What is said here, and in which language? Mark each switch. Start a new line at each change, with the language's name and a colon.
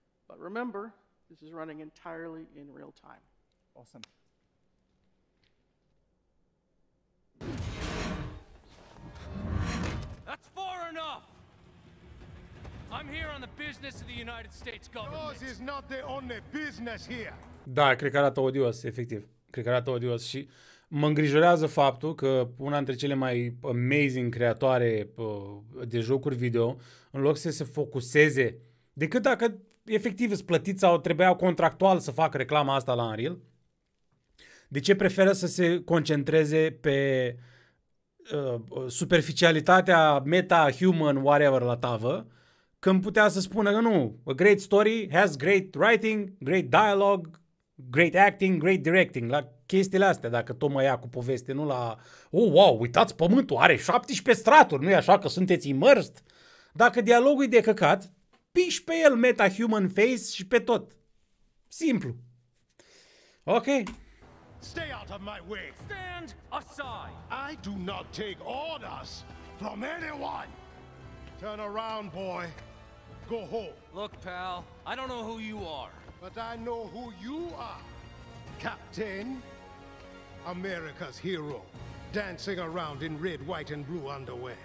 English: But remember, this is running entirely in real time. Awesome. That's far enough! I'm here on the business of the United States government. Yours is not the only business here.
Romanian: Da, cred că arată odios, efectiv. Cred că arată odios și mă îngrijorează faptul că una dintre cele mai amazing creatoare de jocuri video, în loc să se focuseze, decât dacă efectiv îți plătiți sau trebuia contractual să facă reclama asta la Unreal, de ce preferă să se concentreze pe superficialitatea meta, human, whatever la tavă, când putea să spună că nu,
English: a great story has great writing, great dialogue, great acting, great directing.
Romanian: La chestiile astea, dacă tot mă ia cu poveste, nu la, oh, wow, uitați pământul, are 17 straturi, nu e așa că sunteți immersed? Dacă dialogul e de căcat, piși pe el meta human face și pe tot. Simplu. Ok.
English: Stay out of my way. Stand aside. I do not take orders from anyone. Turn around, boy. Go home. Look, pal, I don't know who you are. But I know who you are. Captain, America's hero, dancing around in red, white, and blue underwear.